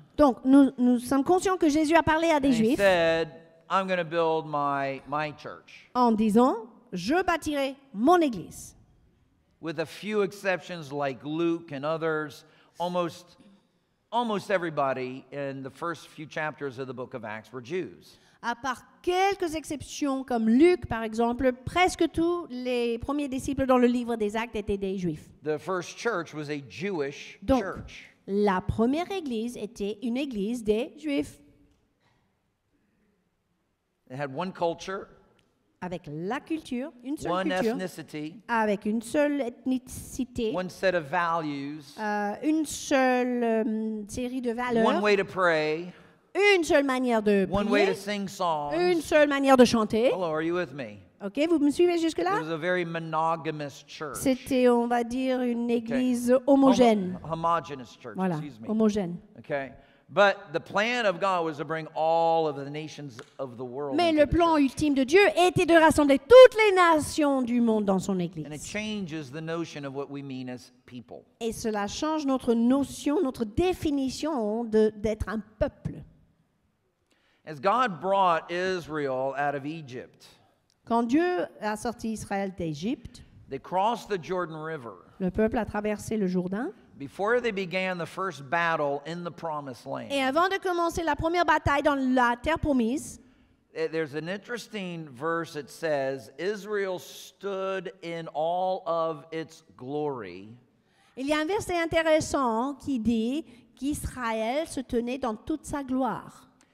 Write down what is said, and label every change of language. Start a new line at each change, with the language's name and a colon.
French: Donc nous sommes conscients que Jésus a parlé à des juifs.
English: He said, "I'm going to build my church."
French: En disant, je bâtirai mon église.
English: With a few exceptions like Luke and others, almost everybody in the first few chapters of the book of Acts were Jews.
French: À part quelques exceptions comme Luc, par exemple, presque tous les premiers disciples dans le livre des Actes étaient des Juifs.
English: The first church was a Jewish
French: Donc,
English: church.
French: La première église était une église des Juifs.
English: It had one culture,
French: avec la culture, une seule
English: one culture, ethnicity,
French: avec une seule ethnicité,
English: one set of values,
French: une seule série de valeurs,
English: one way to pray,
French: une seule manière de
English: prier. One way to sing songs.
French: Une seule manière de chanter.
English: Hello, are you with me?
French: OK, vous me suivez jusque-là?
English: It was a very monogamous church.
French: C'était, on va dire, une église homogène.
English: Homogeneous church,
French: voilà.
English: Excuse me.
French: Homogène.
English: OK. But the plan of God was to bring all of the nations of the world.
French: Mais le plan ultime de Dieu était de rassembler toutes les nations du monde dans son église.
English: And it changes the notion of what we mean as people.
French: Et cela change notre notion, notre définition d'être un peuple.
English: As God brought Israel out of Egypt,
French: quand Dieu a sorti Israël d'Égypte,
English: they crossed the Jordan River.
French: Le peuple a traversé le Jourdain.
English: Before they began the first battle in the Promised Land,
French: et avant de commencer la première bataille dans la terre promise,
English: there's an interesting verse that says, Israel stood in all of its glory.
French: Il y a un verset intéressant qui dit qu'Israël se tenait dans toute sa gloire.